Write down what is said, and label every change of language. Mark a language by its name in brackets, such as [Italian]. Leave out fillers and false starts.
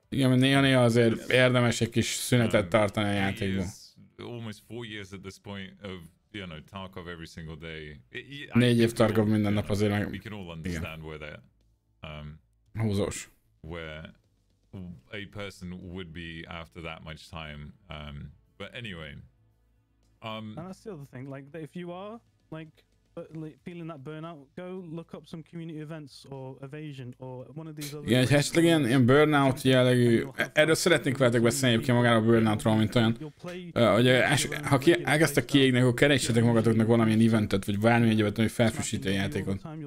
[Hungarian] igen, mert néha azért érdemes egy kis szünetet tartani a játékban. [English] Almost 4 years at this point of, you know, Tarkov every single day. [Hungarian] Négy év Tarkov minden nap azért. Meg... [English] We can all understand where that, [Hungarian] húzós. [English] Where a person would be after that much time. But anyway. And that's the other thing, like, if you are, like, feeling that burnout, go look up some community events or evasion or one of these other. [Hungarian] Igen, hogyha esetleg ilyen burnout jellegű, erről szeretnénk veletek beszélni egyébként magáról a burnoutról, mint olyan. Ugye, ha elkezdtek kiégni, akkor keressetek magatoknak valamilyen eventet, vagy bármilyen egyébet, ami felfrissíti a játékot.